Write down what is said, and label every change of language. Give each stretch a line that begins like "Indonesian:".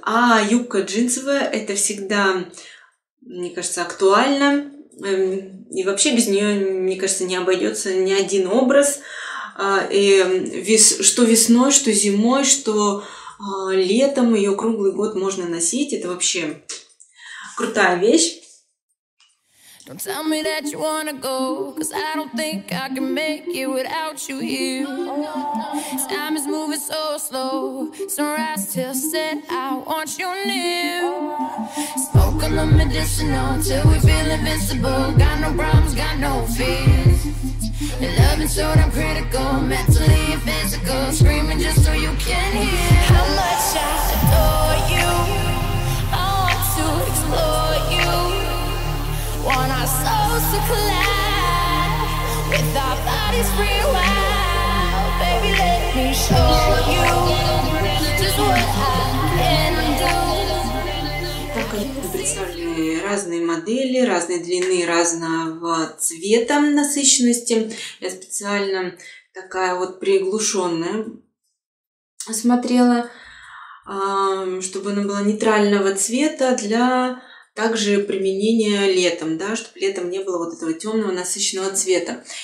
Russian: А юбка джинсовая — это всегда, мне кажется, актуально. И вообще без нее, мне кажется, не обойдется ни один образ. И что весной, что зимой, что летом, ее круглый год можно носить. Это вообще крутая вещь.
English: Don't tell me that you wanna go, 'cause I don't think I can make it without you here. Time is moving so slow, sunrise till set, I want you near. Smoke on the medicinal till we feel invincible, got no problems, got no fears. Your loving's so damn critical, mentally and physical, screaming just so you can hear. How much I adore you, I want to explore you. Want our souls to collide with our bodies free wild. Baby, let me show you just what I can do.
Russian: Представлены разные модели, разной длины, разного цвета, насыщенности. Я специально такая вот приглушенная смотрела, чтобы она была нейтрального цвета для также применения летом, да, чтобы летом не было вот этого темного насыщенного цвета.